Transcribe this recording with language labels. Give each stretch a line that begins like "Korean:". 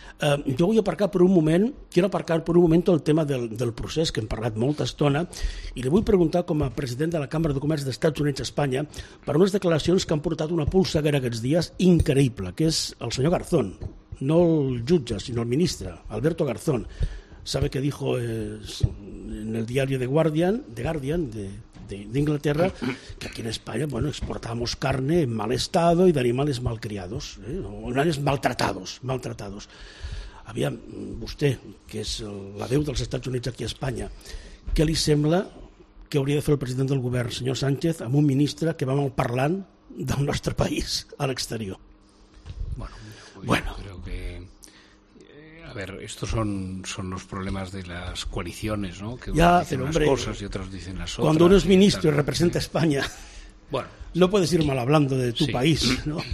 Catalan: Jo vull aparcar per un moment,
Spanish: quiero aparcar
Catalan: per un moment el tema del procés, que hem parlat molta estona, i li vull preguntar com a president de la Cambra de Comerç d'Estats Units d'Espanya per unes declaracions que han portat una polseguera aquests dies increïble, que és el senyor Garzón, no el jutge, sinó el ministre, Alberto Garzón.
Spanish: Sabe que dijo en el diario The Guardian, d'Inglaterra, que aquí en España, bueno, exportamos carne en mal estado y de animales malcriados, o animales maltratados.
Catalan: Aviam, vostè, que és la veu dels Estats Units aquí a Espanya, què li sembla que hauria de fer el president del govern, senyor Sánchez, amb un ministre que va malparlant del nostre país a l'exterior?
Spanish: Bueno, bueno. Creo que... A ver, estos son los problemas de las coaliciones, ¿no? Que ya, dicen unas cosas y otras dicen las otras. Cuando uno es ministro y representa a España, bueno, no puedes ir mal hablando de tu país, ¿no?